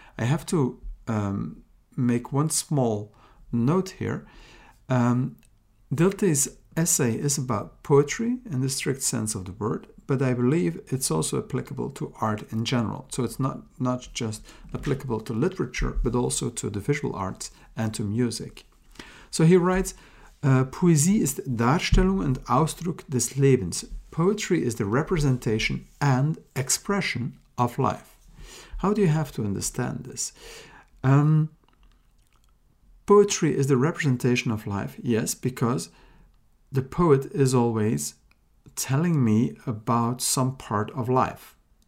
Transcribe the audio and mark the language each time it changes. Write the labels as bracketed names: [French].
[English] I have to make one small note here. Dilthey's essay is about poetry in the strict sense of the word, but I believe it's also applicable to art in general. So it's not just applicable to literature, but also to the visual arts and to music. So he writes, [German] Poesie ist Darstellung und Ausdruck des Lebens. [English] Poetry is the representation and expression of life. How do you have to understand this? Poetry is the representation of life, yes, because the poet is always telling me about some part of life.